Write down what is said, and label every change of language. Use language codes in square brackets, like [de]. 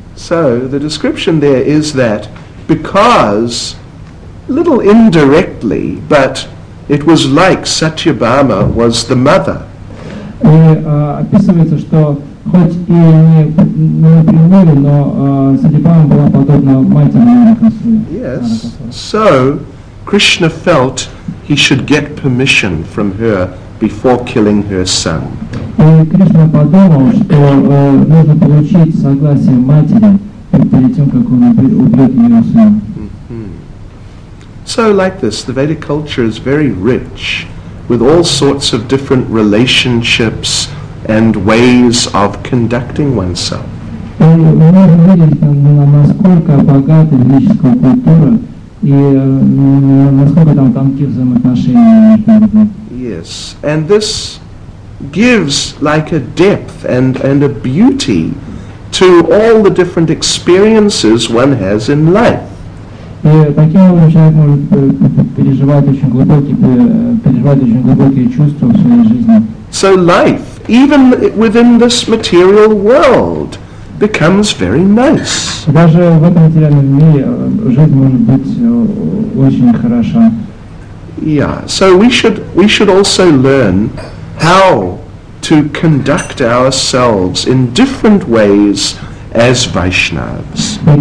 [en] So the description there is that because, a little indirectly, but it was like Satyabhama was the mother. [ru] И описывается, что хоть и не прямую, но Сатьябхама была подобна матери Наракасуре. [en] Yes, so Krishna felt he should get permission from her before killing her son. [ru] И Кришна подумал, что нужно получить согласие матери перед тем, как он убьет ее сына. [en] So like this, the Vedic culture is very rich with all sorts of different relationships and ways of conducting oneself. Yes, and this gives like a depth and a beauty to all the different experiences one has in life. [ru] И таким образом человек может переживать очень глубокие чувства в своей жизни. [en] So life, even within this material world, becomes very nice. [ru] Даже в этом материальном мире жизнь может быть очень хороша. [en] Yeah, so we should also learn how to conduct ourselves in different ways as Vaishnavas.